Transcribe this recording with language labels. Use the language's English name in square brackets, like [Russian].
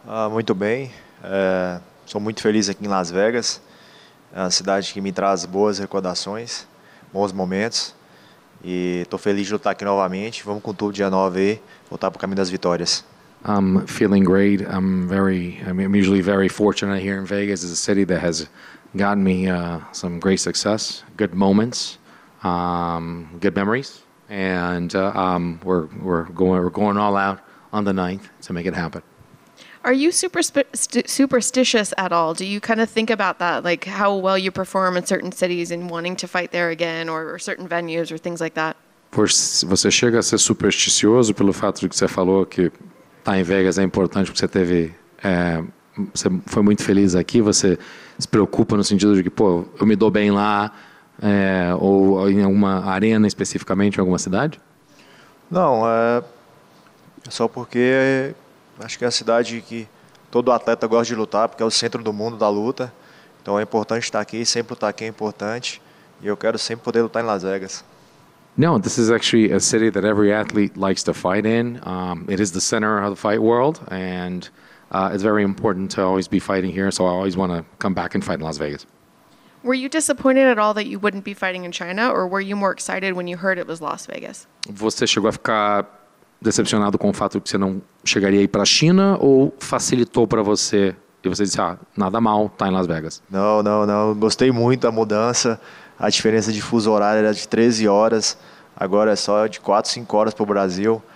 [Portuguese] Muito bem. Sou muito feliz aqui em Las Vegas. É uma cidade que me traz boas recordações, bons momentos. E estou feliz de lutar aqui novamente. Vamos com tudo dia 9 aí, voltar para o caminho das vitórias. [English] I'm feeling great. I'm usually very fortunate here in Vegas. It's a city that has gotten me some great success, good moments, good memories. And we're going all out on the 9th to make it happen. Are you superstitious at all? Do you kind of think about that, like how well you perform in certain cities and wanting to fight there again, or certain venues or things like that? [Portuguese] Você chega a ser supersticioso pelo fato de que você falou que tá em Vegas é importante porque você teve você foi muito feliz aqui, você se preocupa no sentido de que, pô, eu me dou bem lá ou em alguma arena especificamente, em alguma cidade? Não, é só porque acho que é a cidade que todo atleta gosta de lutar, porque é o centro do mundo da luta. Então é importante estar aqui, sempre lutar aqui é importante. E eu quero sempre poder lutar em Las Vegas. [English] No, this is actually a city that every athlete likes to fight in. It is the center of the fight world, and it's very important to always be fighting here, so I always want to come back and fight in Las Vegas. Were you disappointed at all that you wouldn't be fighting in China, or were you more excited when you heard it was Las Vegas? [Portuguese] Você chegou a ficar decepcionado com o fato que você não chegaria aí para a China, ou facilitou para você e você disse, ah, nada mal, tá em Las Vegas? Não. Gostei muito da mudança. A diferença de fuso horário era de 13 horas, agora é só de 4, 5 horas para o Brasil.